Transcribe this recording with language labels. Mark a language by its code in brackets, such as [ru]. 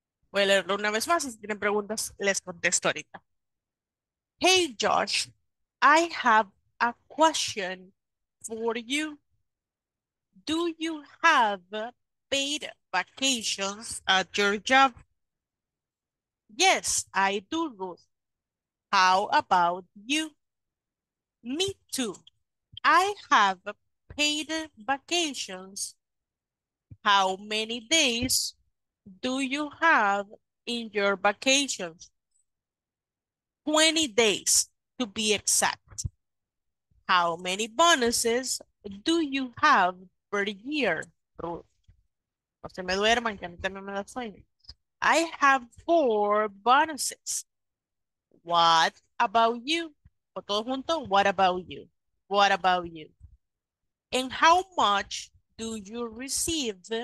[es] Voy a leerlo una vez más y si tienen preguntas, les contesto ahorita. [en] Hey, Josh, I have a question for you. Do you have paid vacations at your job? Yes, I do, Ruth. How about you? Me too. I have paid vacations. How many days do you have in your vacations? 20 days to be exact. How many bonuses do you have per year? [es] No se me duerman, que a mí también me da sueño. [en] I have 4 bonuses. What about you? [es] O todo junto, [en] what about you? What about you? And how much do you receive?